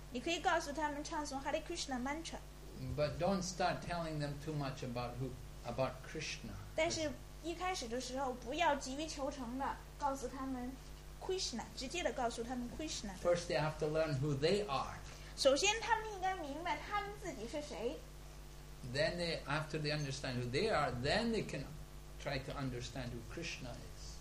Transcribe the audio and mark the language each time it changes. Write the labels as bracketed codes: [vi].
[zh] 你可以告诉他们唱诵Hare Krishna mantra. [en] But don't start telling them too much about Krishna. [zh] 但是一开始的时候不要急于求成的告诉他们Krishna，直接的告诉他们Krishna。 [en] First they have to learn who they are. [zh] 首先他们应该明白他们自己是谁。 [en] Then after they understand who they are, then they can try to understand who Krishna is.